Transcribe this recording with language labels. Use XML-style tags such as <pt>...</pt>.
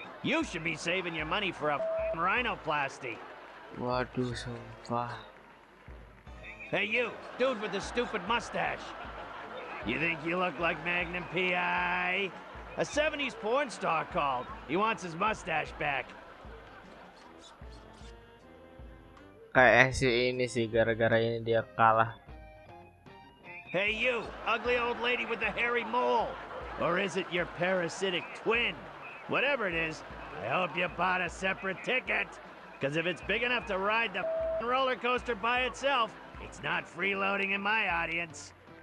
<en>You should be saving your money for a rhinoplasty.</en> <id>Waduh, sumpah.</id> <en>Hey you, dude with the stupid mustache. You think you look like Magnum P.I.? A 70s porn star called. He wants his mustache back.</en> <id>Kayak si ini sih, gara-gara ini dia kalah.</id> <en>Hey you, ugly old lady with the hairy mole. Or is it your parasitic twin? Whatever it is, I hope you bought a separate ticket. Cause if it's big enough to ride the f***ing roller coaster by itself, it's not freeloading in my audience.</en>